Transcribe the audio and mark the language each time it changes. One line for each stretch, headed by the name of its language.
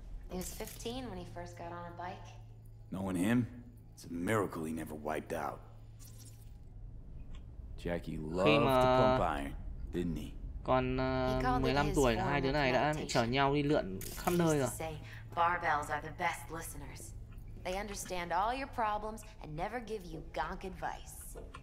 English: He was 15 when he first got on a bike. Knowing him, it's a miracle he never wiped out. Jackie loved to pump iron, didn't he?
Vietnamese: Còn 15 tuổi là hai đứa này đã chở nhau đi lượn khắp nơi rồi.
English: Barbells are the best listeners. They understand all your problems and never give you gonk advice.